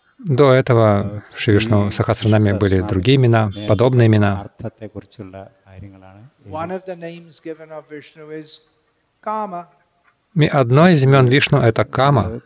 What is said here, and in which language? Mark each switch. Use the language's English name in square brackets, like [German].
[Russian] До этого в Шри Вишну Сахасранаме были другие имена, подобные имена. [English] One of the names given of Vishnu is Kama. [Russian] Одно из имен Вишну — это Кама.